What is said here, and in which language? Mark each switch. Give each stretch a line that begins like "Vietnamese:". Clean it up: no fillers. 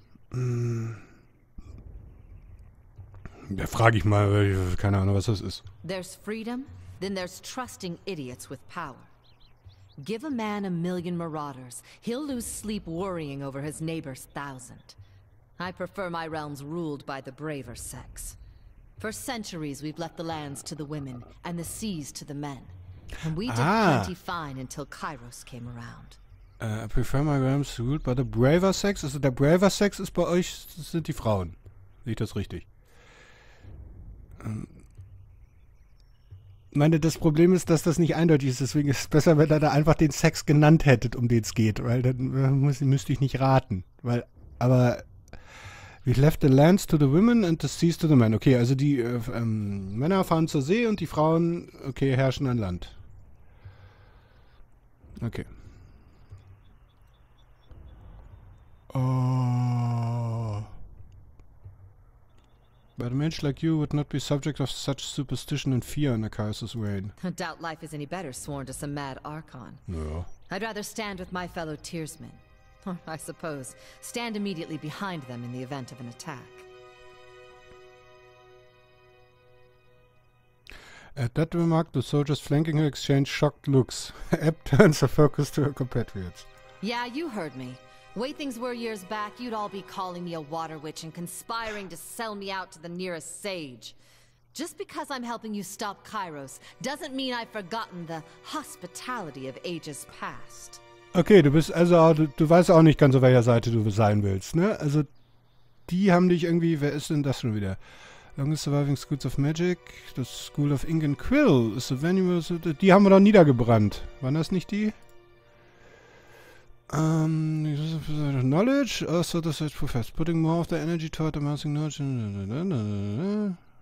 German: Da frage ich mal, keine Ahnung, was das ist.
English: There's freedom, then there's trusting idiots with power. Give a man a million marauders, he'll lose sleep worrying over his neighbor's thousand. I prefer my realms ruled by the braver sex. For centuries we've left the lands to the women and the seas to the men. And we did plenty fine until Kairos came around. I prefer my realms ruled by the braver sex.
German: Also der
English: braver sex
German: ist bei euch, sind die Frauen. Sehe ich das richtig? Ich meine, das Problem ist, dass das nicht eindeutig ist. Deswegen ist es besser, wenn ihr da einfach den Sex genannt hättet, um den es geht. Weil dann müsste ich nicht raten. Weil, aber...
English: We left the lands to the women and the seas to the men.
German: Okay, also die Männer fahren zur See und die Frauen, okay, herrschen an Land. Okay. Oh.
English: But a mensch like you would not be subject of such superstition and fear in a Kairos's reign. I doubt life is any better sworn to some mad Archon.
German: Ja.
English: I'd rather stand with my fellow tearsmen. I suppose stand immediately behind them in the event of an attack. At that remark, the soldiers flanking her exchange shocked looks. Ebb turns her focus to her compatriots. Yeah, you heard me. Way things were years back, you'd all be calling me a water witch and conspiring to sell me out to the nearest sage. Just because I'm helping you stop Kairos doesn't mean I've forgotten the hospitality of ages past.
German: Okay, du bist also du weißt auch nicht ganz, auf welcher Seite du sein willst, ne? Also, die haben dich irgendwie... Wer ist denn das schon wieder?
English: Longest Surviving Schools of Magic, the School of Ink and Quill, is the venue...
German: Die haben wir doch niedergebrannt. Waren das nicht die?
English: Knowledge, also the Sage Professor, putting more of the energy toward amassing knowledge...